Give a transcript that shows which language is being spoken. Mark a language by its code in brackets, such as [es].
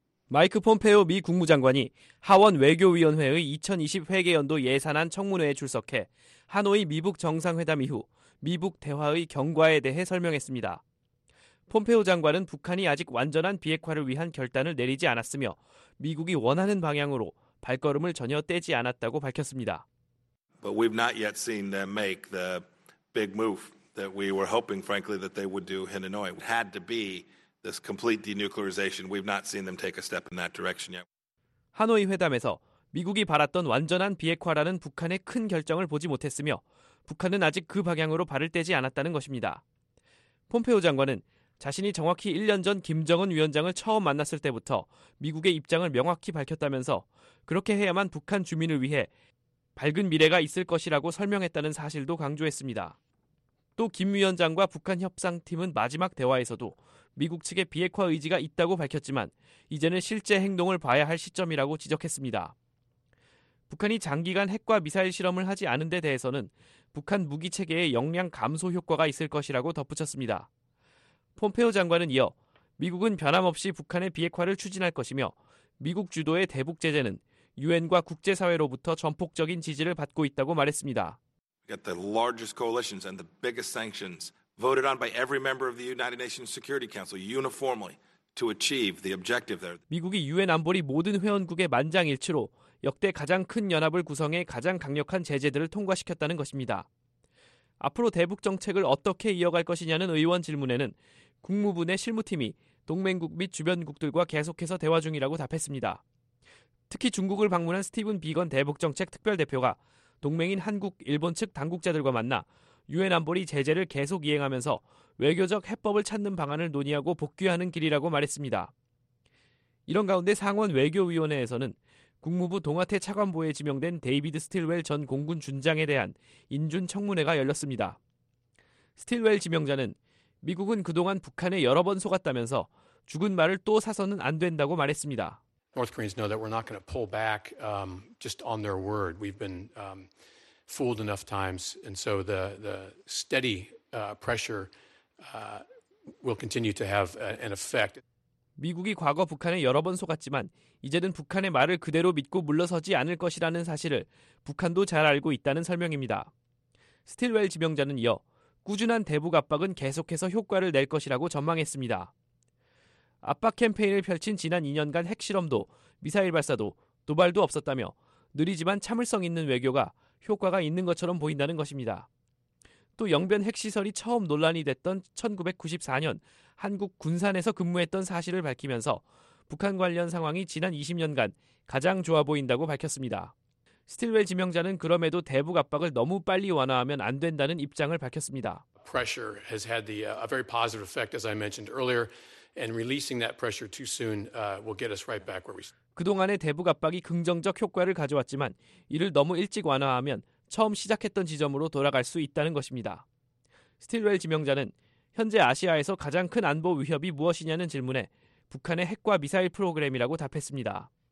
[ko] 마이크 폼페오 미 국무장관이 하원 외교위원회의 2020 회계연도 예산안 청문회에 출석해 하노이 미북 정상회담 이후 미북 대화의 경과에 대해 설명했습니다. 폼페오 장관은 북한이 아직 완전한 비핵화를 위한 결단을 내리지 않았으며 미국이 원하는 방향으로 발걸음을 전혀 떼지 않았다고 밝혔습니다. [en] But we've not yet seen them make the big move that we were hoping, frankly, that they would do in Hanoi. It had to be this complete denuclearization. We've not seen them take a step in that direction yet. [ko] 하노이 회담에서 미국이 바랐던 완전한 비핵화라는 북한의 큰 결정을 보지 못했으며 북한은 아직 그 방향으로 발을 떼지 않았다는 것입니다. 폼페오 장관은 자신이 정확히 1년 전 김정은 위원장을 처음 만났을 때부터 미국의 입장을 명확히 밝혔다면서 그렇게 해야만 북한 주민을 위해 밝은 미래가 있을 것이라고 설명했다는 사실도 강조했습니다. 또 김 위원장과 북한 협상팀은 마지막 대화에서도 미국 측의 비핵화 의지가 있다고 밝혔지만 이제는 실제 행동을 봐야 할 시점이라고 지적했습니다. 북한이 장기간 핵과 미사일 실험을 하지 않은 데 대해서는 북한 무기체계의 역량 감소 효과가 있을 것이라고 덧붙였습니다. 폼페오 장관은 이어 미국은 변함없이 북한의 비핵화를 추진할 것이며 미국 주도의 대북 제재는 유엔과 국제사회로부터 전폭적인 지지를 받고 있다고 말했습니다. [en] Get the largest coalitions and the biggest sanctions voted on by every member of the United Nations Security Council uniformly to achieve the objective there. [ko] 미국이 유엔 안보리 모든 회원국의 만장일치로 역대 가장 큰 연합을 구성해 가장 강력한 제재들을 통과시켰다는 것입니다. 앞으로 대북 정책을 어떻게 이어갈 것이냐는 의원 질문에는 국무부 내 실무팀이 동맹국 및 주변국들과 계속해서 대화 중이라고 답했습니다. 특히 중국을 방문한 스티븐 비건 대북 정책 특별대표가 동맹인 한국, 일본 측 당국자들과 만나 유엔 안보리 제재를 계속 이행하면서 외교적 해법을 찾는 방안을 논의하고 복귀하는 길이라고 말했습니다. 이런 가운데 상원 외교위원회에서는 국무부 동아태 차관보에 지명된 데이비드 스틸웰 전 공군 준장에 대한 인준 청문회가 열렸습니다. 스틸웰 지명자는 미국은 그동안 북한에 여러 번 속았다면서 죽은 말을 또 사서는 안 된다고 말했습니다. [en] North Koreans know that we're not going to pull back just on their word. We've been fooled enough times and so the steady pressure will continue to have an effect. [ko] 미국이 과거 북한에 여러 번 속았지만 이제는 북한의 말을 그대로 믿고 물러서지 않을 것이라는 사실을 북한도 잘 알고 있다는 설명입니다. 스틸웰 지명자는 이어 꾸준한 대북 압박은 계속해서 효과를 낼 것이라고 전망했습니다. 압박 캠페인을 펼친 지난 2년간 핵실험도 미사일 발사도 도발도 없었다며 느리지만 참을성 있는 외교가 효과가 있는 것처럼 보인다는 것입니다. 또 영변 핵시설이 처음 논란이 됐던 1994년 한국 군산에서 근무했던 사실을 밝히면서 북한 관련 상황이 지난 20년간 가장 좋아 보인다고 밝혔습니다. 스틸웰 지명자는 그럼에도 대북 압박을 너무 빨리 완화하면 안 된다는 입장을 밝혔습니다. [en] Pressure has had a very positive effect as I mentioned earlier and releasing that pressure too soon will get us right back where we [ko] 그동안의 대북 압박이 긍정적 효과를 가져왔지만 이를 너무 일찍 완화하면 처음 시작했던 지점으로 돌아갈 수 있다는 것입니다. 스틸웰 지명자는 현재 아시아에서 가장 큰 안보 위협이 무엇이냐는 질문에 북한의 핵과 미사일 프로그램이라고 답했습니다.